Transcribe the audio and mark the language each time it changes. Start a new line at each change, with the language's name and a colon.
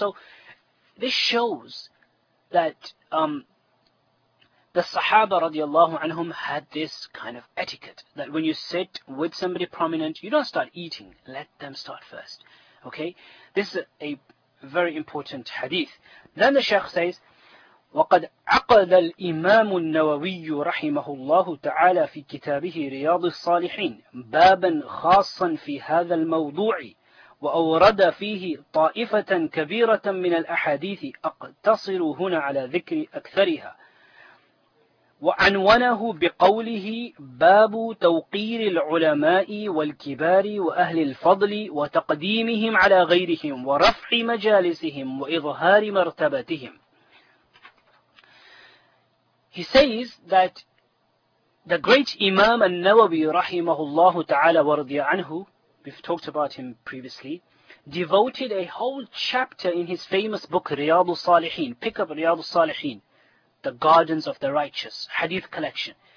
English: So this shows that the Sahaba radiallahu anhum had this kind of etiquette, that when you sit with somebody prominent, you don't start eating, let them start first. Okay? This is a very important hadith. Then the Shaykh says,
Arabic: وَقَدْ عَقَدَ الْإِمَامُ النَّوَوِيُّ رَحِمَهُ اللَّهُ تَعَالَى فِي كِتَابِهِ رِيَاضِ الصَّالِحِينَ بَابًا خَاصًّا فِي هَذَا الْمَوْضُوعِ وأورد فيه طائفة كبيرة من الأحاديث أقتصر هنا على ذكر أكثرها وعنونه بقوله باب توقير العلماء والكبار وأهل الفضل وتقديمهم على غيرهم ورفع مجالسهم وإظهار مرتبتهم.
English: He says that the great Imam al-Nawawi
Arabic: رحمه الله تعالى ورضي عنه,
English: we've talked about him previously, devoted a whole chapter in his famous book, Riyadu Salihin. Pick up Riyadu Salihin, the Gardens of the Righteous, Hadith Collection.